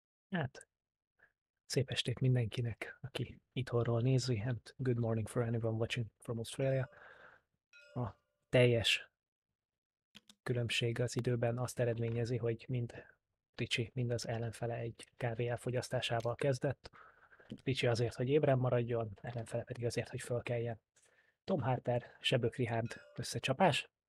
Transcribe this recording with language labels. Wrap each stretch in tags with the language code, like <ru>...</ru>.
<hu>Hát, szép estét mindenkinek, aki itthonról nézi.</hu> <en>And good morning for anyone watching from Australia.</en> <hu>A teljes különbség az időben azt eredményezi, hogy mind Ricsi, mind az ellenfele egy kávé elfogyasztásával kezdett. Ricsi azért, hogy ébren maradjon, ellenfele pedig azért, hogy fölkeljen. Tom Harper, Sebők Rihárd összecsapás.</hu>